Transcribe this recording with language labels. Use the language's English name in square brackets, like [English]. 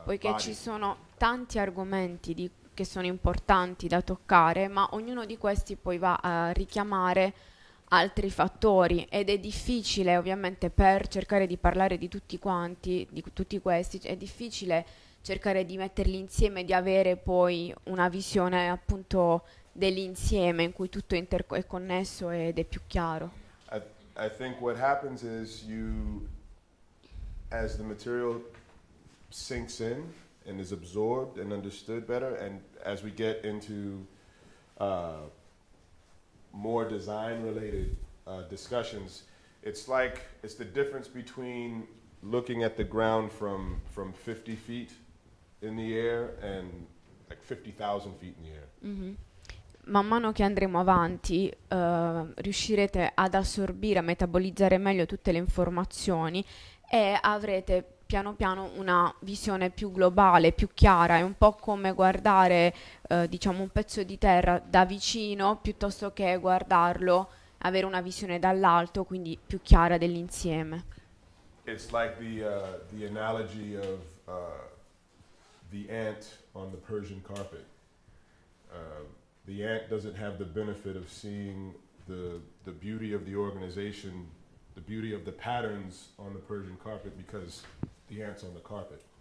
[Italian] Poiché ci sono tanti argomenti che sono importanti da toccare, ma ognuno di questi poi va a richiamare altri fattori, ed è difficile ovviamente, per cercare di parlare di tutti quanti, di tutti questi, è difficile cercare di metterli insieme, di avere poi una visione appunto dell'insieme in cui tutto è connesso ed è più chiaro. [English] I think what happens is you, as the material sinks in and is absorbed and understood better, and as we get into more design-related discussions, it's like it's the difference between looking at the ground from 50 feet in the air and like 50,000 feet in the air. Mm-hmm. [Italian] Man mano che andremo avanti, riuscirete ad assorbire, a metabolizzare meglio tutte le informazioni e avrete piano piano una visione più globale, più chiara. È un po' come guardare, diciamo, un pezzo di terra da vicino piuttosto che guardarlo avere una visione dall'alto, quindi più chiara dell'insieme. [English] It's like the analogy of the ant on the Persian carpet. The ant doesn't have the benefit of seeing the beauty of the organization, the beauty of the patterns on the Persian carpet, because the ant's on the carpet.